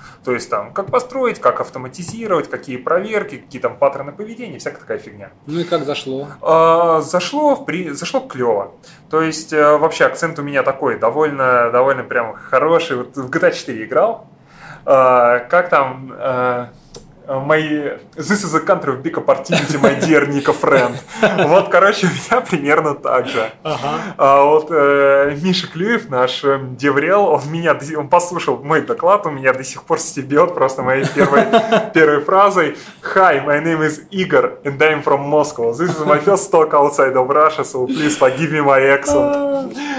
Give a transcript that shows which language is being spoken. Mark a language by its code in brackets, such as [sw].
[ru] То есть, там, как построить, как автоматизировать, какие проверки, какие там паттерны поведения, всякая такая фигня. Ну, и как зашло? Зашло клево. То есть, вообще, акцент у меня такой, довольно прям хороший. Вот в GTA 4 играл, как там... [en] This is a country of big opportunity, my dear Nico friend. [ru] Вот, короче, у меня примерно так же. Ага. А вот Миша Клюев, наш деврел, он послушал мой доклад, он меня до сих пор стебет просто моей первой фразой. [en] Hi, my name is Igor, and I'm from Moscow. This is my first talk outside of Russia, so please forgive me my accent.